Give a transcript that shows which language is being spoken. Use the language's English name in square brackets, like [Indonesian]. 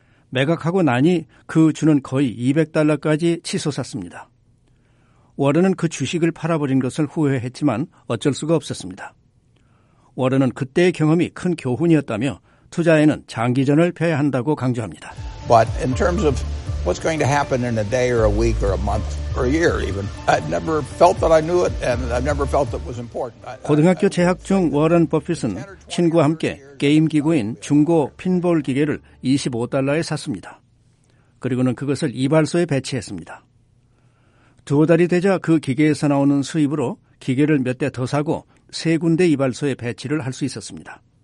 [Korean] 매각하고 나니 그 주는 거의 200달러까지 치솟았습니다. 워런은 그 주식을 팔아버린 것을 후회했지만 어쩔 수가 없었습니다. 워런은 그때의 경험이 큰 교훈이었다며 투자에는 장기전을 펴야 한다고 강조합니다. [English] But in terms of what's going to happen in a day or a week or a month or a year even, I never felt that I knew it and I never felt it was important. [Korean] 고등학교 재학 중 워런 버핏은 친구와 함께 게임 기구인 중고 핀볼 기계를 25달러에 샀습니다. 그리고는 그것을 이발소에 배치했습니다. 두 달이 되자 그 기계에서 나오는 수입으로 기계를 몇 대 더 사고 세 군데 이발소에 배치를 할 수 있었습니다.